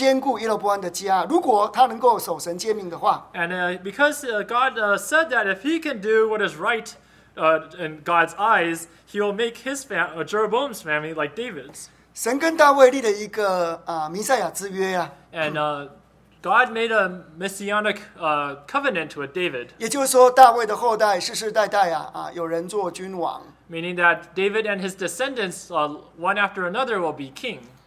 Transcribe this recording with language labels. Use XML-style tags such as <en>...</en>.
<zh>因为神要像为大卫家所立的一样，要兼顾耶罗波安的家，如果他能够守神诫命的话。</zh> <en>And because God said that if he can do what is right in God's eyes, he will make his Jeroboam's family like David's.</en> <zh>神跟大卫立了一个弥赛亚之约啊。</zh> <en>God made a messianic covenant with David.</en> <zh>也就是说大卫的后代世世代代有人做君王。</zh> <en>Meaning that David and his descendants, one after another, will be king.</en>